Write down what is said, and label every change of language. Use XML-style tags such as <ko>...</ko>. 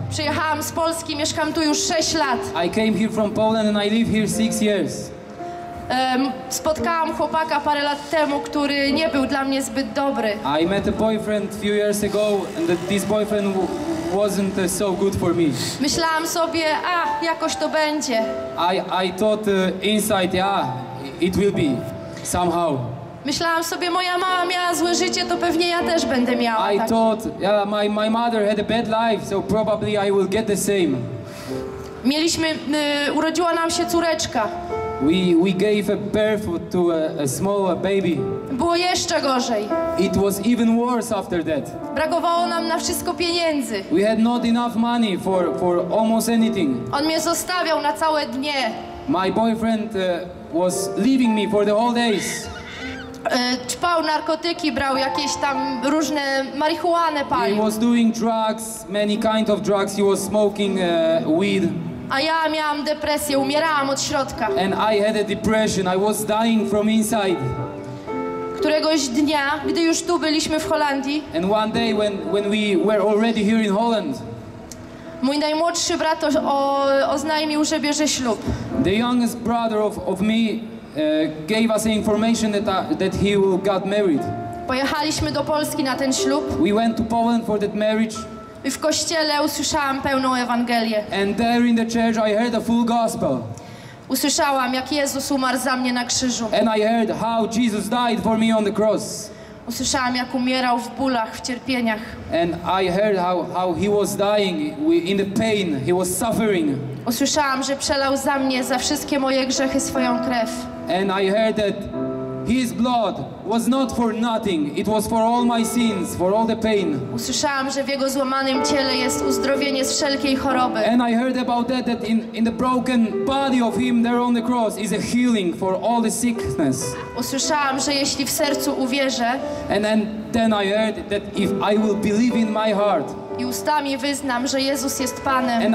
<pl>Przyjechałam z Polski, mieszkam tu już 6 lat.</pl> <en>I came here from Poland and I live here 6 years.</en> <pl>Spotkałam chłopaka parę lat temu, który nie był dla mnie zbyt dobry.</pl> <en>I met a boyfriend few years ago and this boyfriend wasn't so good for me.</en> <pl>Myślałam sobie, jakoś to będzie.</pl> <en>I thought inside, it will be somehow.</en> <pl>Myślałam sobie, moja mama miała złe życie, to pewnie ja też będę miała tak.</pl> <en>I thought, my mother had a bad life, so probably I will get the same.</en> <pl>Mieliśmy, urodziła nam się córeczka.</pl> <en>We gave a birth to a small baby.</en> <pl>Było jeszcze gorzej.</pl> <en>It was even worse after that.</en> <pl>Brakowało nam na wszystko pieniędzy.</pl> <en>We had not enough money for almost anything.</en> <pl>On mnie zostawiał na całe dnie.</pl> <en>My boyfriend was leaving me for the whole days.</en> <pl>Czpał narkotyki, brał jakieś tam różne marihuanę, palił.</pl> <en>He was doing drugs, many kind of drugs. He was smoking weed.</en> <pl>A ja miałam depresję, umierałam od środka.</pl> <en>And I had a depression. I was dying from inside.</en> <pl>Któregoś dnia, gdy już tu byliśmy w Holandii.</pl> <en>And one day when we were already here in Holland.</en> <pl>Mój najmłodszy brat oznajmił, że bierze ślub.</pl> <en>The youngest brother of me gave us information that he will get married.</en> <pl>Pojechaliśmy do Polski na ten ślub.</pl> <en>We went to Poland for that marriage.</en> <pl>I w kościele usłyszałam pełną Ewangelię.</pl> <en>And there in the church I heard the full gospel.</en> <pl>Usłyszałam, jak Jezus umarł za mnie na krzyżu.</pl> <en>And I heard how Jesus died for me on the cross.</en> <pl>Usłyszałam, jak umierał w bólach, w cierpieniach.</pl> <en>And I heard how he was dying in the pain, he was suffering.</en> <pl>Usłyszałam, że przelał za mnie, za wszystkie moje grzechy, swoją krew.</pl> <en>And I heard that his blood was not for nothing, it was for all my sins, for all the pain.</en> <pl>Usłyszałam, że w jego złamanym ciele jest uzdrowienie z wszelkiej choroby.</pl> <en>And I heard about that in the broken body of him there on the cross is a healing for all the sickness.</en> <pl>Usłyszałam, że jeśli w sercu uwierzę.</pl> <en>And then I heard that if I will believe in my heart.</en> <pl>I ustami wyznam, że Jezus jest Panem.</pl>